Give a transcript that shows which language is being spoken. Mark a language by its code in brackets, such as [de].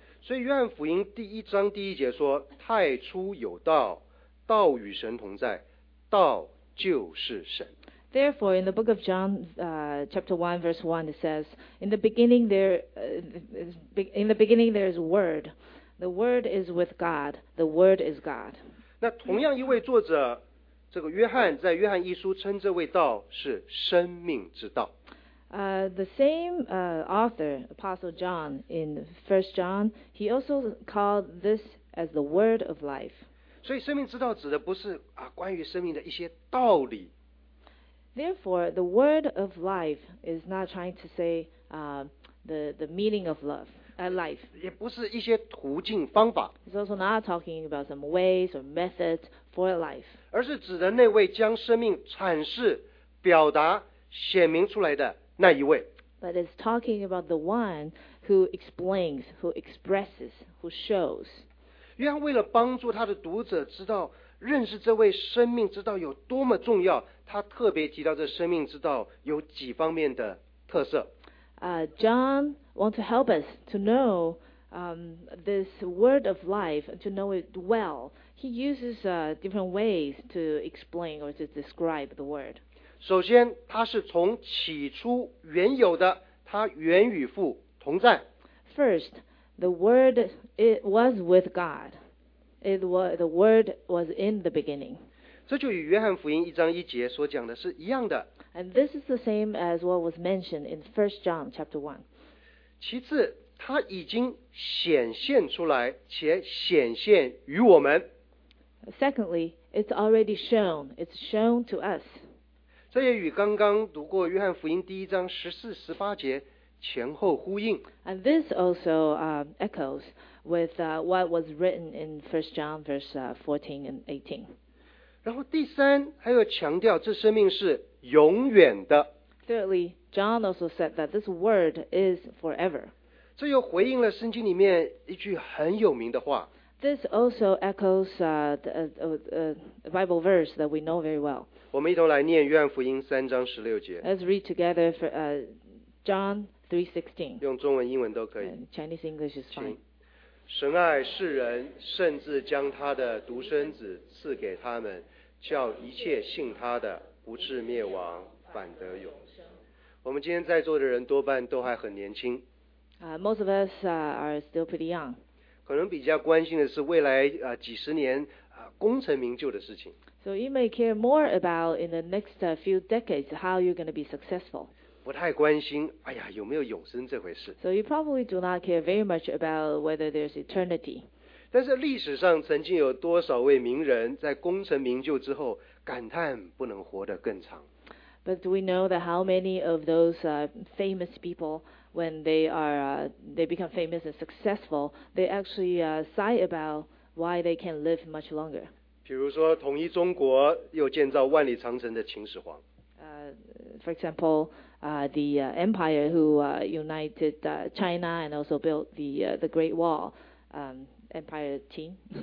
[zh] 所以约翰福音第一章第一节说太初有道道与神同在道就是神。 [en] Therefore, in the book of John, chapter 1, verse 1, it says, in the beginning there is word. The word is with God. The word is God. [zh] 那同样一位作者这个约翰在约翰一书称这位道是生命之道。 [en] The same author, Apostle John, in 1 John, he also called this as the word of life. [zh] 所以生命之道指的不是关于生命的一些道理。 [en] Therefore, the word of life is not trying to say the meaning of love. Life. [zh] 也不是一些途径方法。 [en] It's also not talking about some ways or methods for life. [zh] 而是指的那位将生命阐释、表达、显明出来的那一位。 [en] But it's talking about the one who explains, who expresses, who shows. [zh] 约翰为了帮助他的读者知道认识这位生命之道有多么重要，他特别提到这生命之道有几方面的特色。 [en] John wants to help us to know this word of life, to know it well. He uses different ways to explain or to describe the word. [zh] 首先，它是从起初原有的，它原与父同在。 [en] First, the word it was with God. It was the word was in the beginning. [zh] 这就与约翰福音一章一节所讲的是一样的。 [en] And this is the same as what was mentioned in 1 John chapter 1. [zh] 其次，它已经显现出来，且显现于我们。 [en] Secondly, it's already shown. It's shown to us. [zh] 这也与刚刚读过约翰福音第一章14-18节前后呼应。 [en] And this also echoes with what was written in 1 John verse 14 and 18. [zh] 然后第三，还要强调这生命是永远的。 [en] Thirdly, John also said that this word is forever. [zh] 这又回应了圣经里面一句很有名的话。 [en] This also echoes the Bible verse that we know very well. [zh] 我们一同来念约翰福音三章十六节。 [en] Let's read together for John 3:16. [zh] 用中文、英文都可以。 [en] Chinese English is fine. [zh] 神爱世人，甚至将他的独生子赐给他们，叫一切信他的不至灭亡，反得永生。我们今天在座的人多半都还很年轻。 [en] Most of us are still pretty young. [zh] 可能比较关心的是未来几十年功成名就的事情。 [en] So you may care more about in the next few decades how you're going to be successful. [zh] 不太关心，哎呀，有没有永生这回事。 [en] So you probably do not care very much about whether there's eternity. [zh] 但是历史上曾经有多少位名人在功成名就之后感叹不能活得更长。 [en] But do we know that how many of those famous people, when they are they become famous and successful, they actually sigh about why they can live much longer? [zh] 比如说，统一中国又建造万里长城的秦始皇。 [en] For example, the empire who united China and also built the Great Wall, Empire Qin.